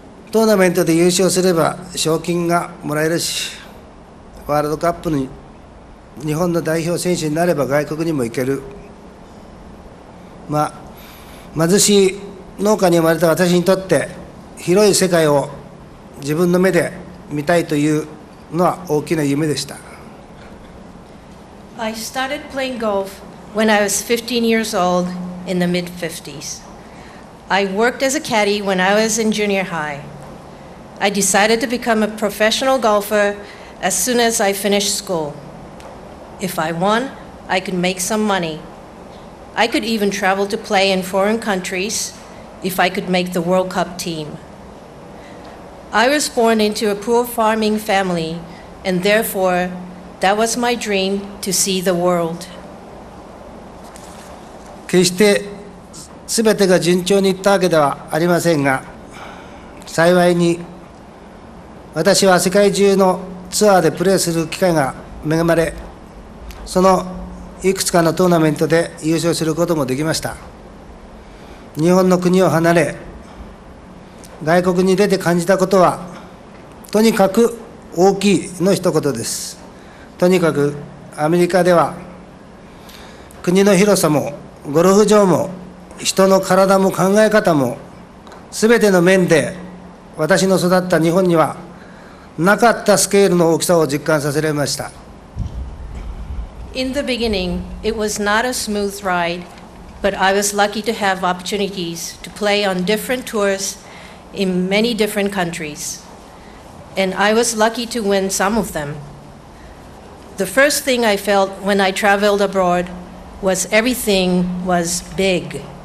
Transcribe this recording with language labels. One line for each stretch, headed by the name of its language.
Japanese: トーナメントで優勝すれば賞金がもらえるし、ワールドカップに日本の代表選手になれば外国にも行ける。貧しい農家に生まれた私にとって広い世界を自分の目で見たいというのは大きな夢でした。
English: I started playing golf when I was 15 years old in the mid-50s. I worked as a caddy when I was in junior high. I decided to become a professional golfer as soon as I finished school. If I won, I could make some money. I could even travel to play in foreign countries if I could make the World Cup team. I was born into a poor farming family, and therefore, that was my dream to see the world.
Japanese: 決して全てが順調にいったわけではありませんが、幸いに私は世界中のツアーでプレーする機会が恵まれ、そのいくつかのトーナメントで優勝することもできました。日本の国を離れ、外国に出て感じたことは、とにかく大きいの一言です。とにかくアメリカでは、国の広さも、ゴルフ場も、人の体も考え方も、すべての面で、私の育った日本には、なかったスケールの大きさを実感させられました。
English: In the beginning, it was not a smooth ride, but I was lucky to have opportunities to play on different tours in many different countries. And I was lucky to win some of them. The first thing I felt when I traveled abroad was everything was big.